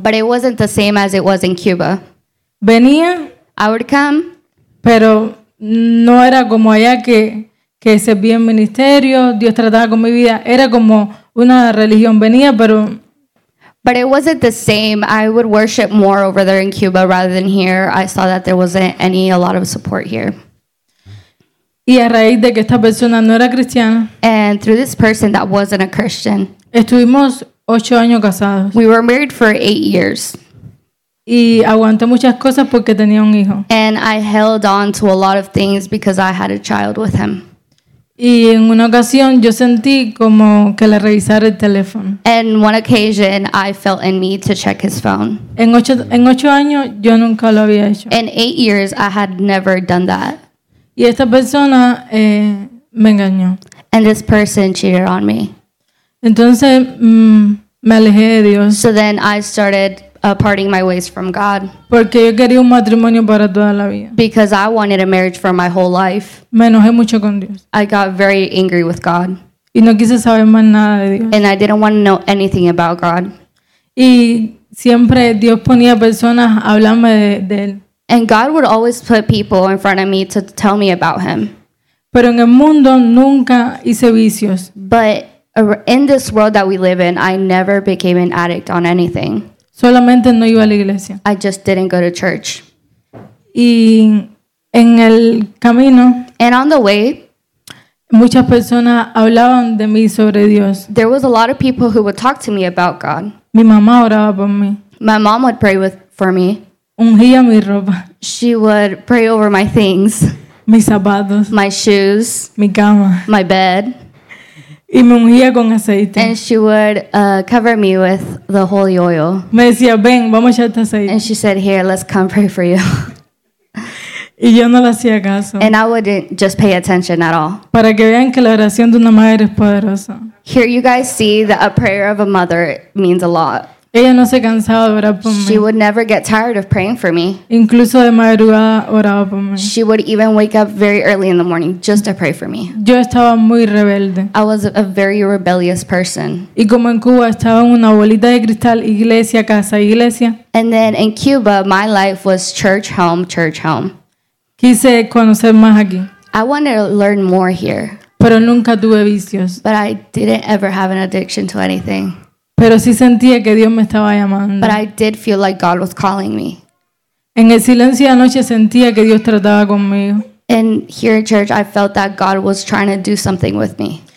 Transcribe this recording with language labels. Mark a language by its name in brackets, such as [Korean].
[English] But it wasn't the same as it was in Cuba. [Spanish] Venía. [English] I would come. [Spanish] Pero no era como allá que servía en ministerio, Dios trataba con mi vida. Era como una religión. Venía, pero... [English] But it wasn't the same. I would worship more over there in Cuba rather than here. I saw that there wasn't a lot of support here. [Spanish] Y a raíz de que esta persona no era cristiana. [English] And through this person that wasn't a Christian. [Spanish] Estuvimos 8 años casados. [English] We were married for 8 years. [Spanish] Y aguanté muchas cosas porque tenía un hijo. [English] And I held on to a lot of things because I had a child with him. [Spanish] Y en una ocasión yo sentí como que le revisara el teléfono. [English] And one occasion I felt a need to check his phone. [Spanish] En ocho años yo nunca lo había hecho. [English] In 8 years I had never done that. [Spanish] Y esta persona me engañó. [English] And this person cheated on me. [Spanish] Entonces me alejé de Dios. [English] So then I started parting my ways from God. [Spanish] Porque yo quería un matrimonio para toda la vida. [English] Because I wanted a marriage for my whole life. [Spanish] Me enojé mucho con Dios. [English] I got very angry with God. [Spanish] Y no quise saber más nada de Dios. [English] And I didn't want to know anything about God. [Spanish] Y siempre Dios ponía personas a hablarme de él. [English] And God would always put people in front of me to tell me about him. [Spanish] Pero en el mundo nunca hice vicios. [English] But in this world that we live in, I never became an addict on anything. [Spanish] Solamente no iba a la iglesia. [English] I just didn't go to church. [Spanish] Y en el camino, [English] and on the way, [Spanish] muchas personas hablaban de mí sobre Dios. [English] There was a lot of people who would talk to me about God. [Spanish] Mi mamá oraba por mí. [English] My mom would pray for me. [Spanish] Ungía mi ropa. [English] She would pray over my things. [Spanish] Mis zapatos. [English] My shoes. [Spanish] Mi cama. [English] My bed. [Spanish] Y me ungía con aceite. [English] And she would cover me with the holy oil. [Spanish] Me decía, ven, vamos a echarte aceite. [English] And she said, here, let's come pray for you. [Spanish] Y yo no le hacía caso. [English] And I wouldn't just pay attention at all. [Spanish] Para que vean que la oración de una madre es poderosa. [English] Here you guys see that a prayer of a mother means a lot. [Spanish] Ella no se cansaba de orar por mí. [English] She would never get tired of praying for me. [Spanish] Incluso de madrugada oraba por mí. [English] She would even wake up very early in the morning just to pray for me. [Spanish] Yo estaba muy rebelde. [English] I was a very rebellious person. [Spanish] Y como en Cuba estaba en una bolita de cristal, iglesia, casa, iglesia. [English] And then in Cuba, my life was church, home, church, home. [Spanish] Quise conocer más aquí. [English] I wanted to learn more here. [Spanish] Pero nunca tuve vicios. [English] But I didn't ever have an addiction to anything. [Spanish] Pero sí sentía que Dios me estaba llamando. [English] But I did feel like God was calling me. [Spanish] En el silencio de anoche sentía que Dios trataba conmigo. [English] And here in church I felt that God was trying to do something with me.